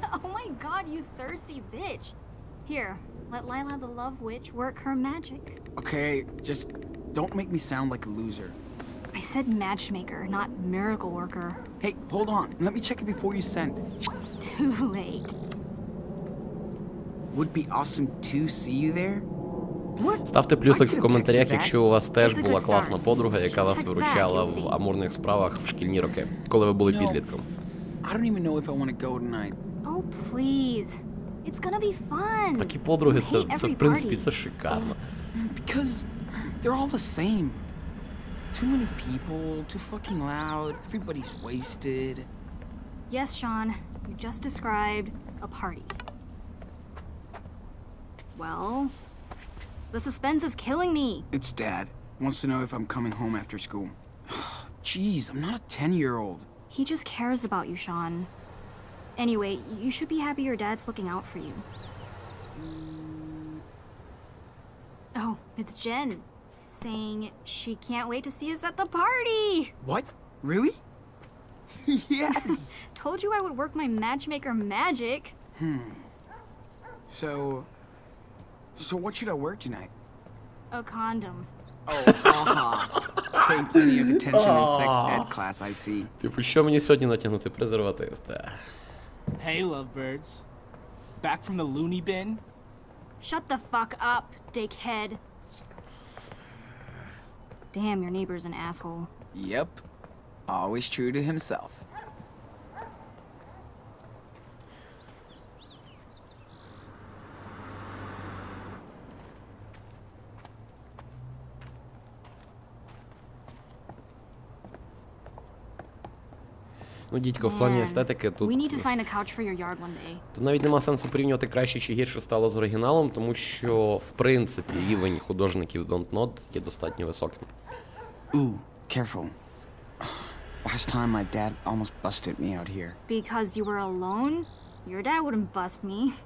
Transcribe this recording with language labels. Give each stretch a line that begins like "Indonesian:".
English: Oh my god, you thirsty bitch. Here, let Lila the Love Witch work her magic. Okay, just don't make me sound like a loser. I said matchmaker, not miracle worker. Hey, hold on. Let me check it before you send. Too late. Would be awesome to see you there. What?
Ukrainian: Ставте плюсик в коментарях, якщо у вас теж була класна подруга, яка вас виручала в амурних справах в шкільні роки, коли ви були підлітком.
English: I don't even know if I want to go tonight. Oh, please. It's gonna be fun.
Ukrainian: Такі подруги, це в принципі, це шикарно.
English: Because they're all the same. Too many people, too fucking loud, everybody's wasted. Yes, Sean, you just described a party. Well, the suspense is killing me. It's Dad. Wants to know if I'm coming home after school. Jeez, I'm not a 10-year-old. He just cares about you, Sean. Anyway, you should be happy your dad's looking out for you. Oh, it's Jen, saying she can't wait to see us at the party! What? Really? Yes! Told you I would work my matchmaker magic! So what should I wear tonight? A condom. Oh, haha. Thank you for the attention in sex ed class, I see.
Ukrainian: Типу, що мені сьогодні натягнути презерватив?
English: Hey, lovebirds. Back from the loony bin? Shut the fuck up, dickhead. Damn, your neighbor's an asshole. Yep. Always true to himself.
Ukrainian: Ну, дідько, в плані естетики тут...
English: We need to find a couch for your yard one day.
Ukrainian: Тут навіть нема сенсу порівнювати краще чи гірше стало з оригіналом, тому що, в принципі, рівень художників Don't Nod є достатньо високим.
English: Ooh, careful. Last time my dad almost busted me out here. Because you were alone? Your dad wouldn't bust me.